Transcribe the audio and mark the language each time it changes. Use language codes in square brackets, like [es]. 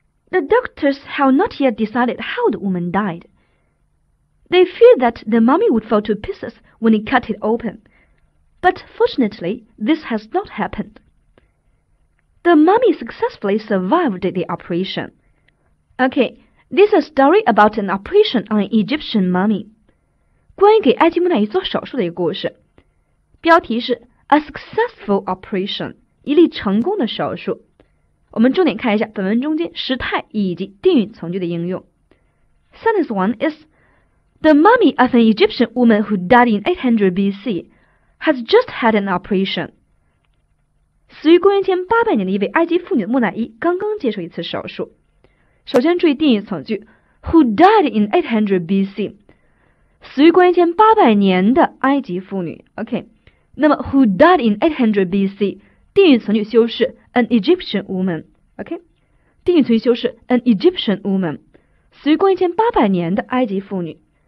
[en] The doctors have not yet decided how the woman died. They feared that the mummy would fall to pieces when they cut it open, but fortunately, this has not happened. The mummy successfully survived the operation. This is a story about an operation on an Egyptian mummy. [zh] 关于给埃及木乃伊做手术的一个故事。标题是 [en] A successful operation, [zh] 一例成功的手术。我们重点看一下本文中间时态以及定语从句的应用。 [en] Sentence 1 is, The mummy of an Egyptian woman who died in 800 BC has just had an operation. [zh] 死于公元前800年的一位埃及妇女的木乃伊刚刚接受一次手术。首先注意定语从句 , [en] who died in 800 BC, [zh] 死于公元前800年的埃及妇女。那么 [en] who died in 800 BC, [zh] 定语从句修饰 [en] an Egyptian woman, [zh] 定语从句修饰 [en] an Egyptian woman, [zh] 死于公元前800年的埃及妇女。